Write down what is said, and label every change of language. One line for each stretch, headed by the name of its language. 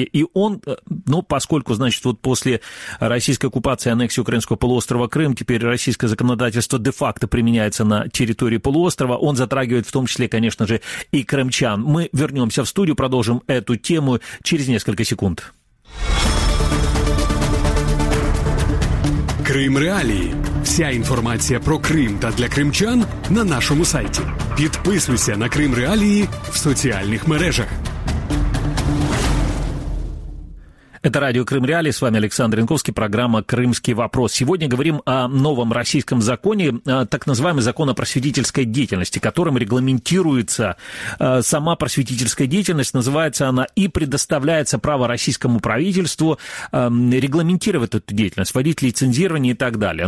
Russian: И он, ну, поскольку, значит, вот после российской оккупации, аннексии украинского полуострова Крым, теперь российское законодательство де-факто применяется на территории полуострова, он затрагивает в том числе, конечно же, и крымчан. Мы вернемся в студию, продолжим эту тему через несколько секунд.
Ukrainian: Крым Реалії. Вся інформація про Крим та для кримчан на нашому сайті. Підписуйся на Крим Реалії в соціальних мережах.
Russian: Это радио «Крым Реалии», с вами Александр Янковский, программа «Крымский вопрос». Сегодня говорим о новом российском законе, так называемый закон о просветительской деятельности, которым регламентируется сама просветительская деятельность, называется она, и предоставляется право российскому правительству регламентировать эту деятельность, вводить лицензирование и так далее.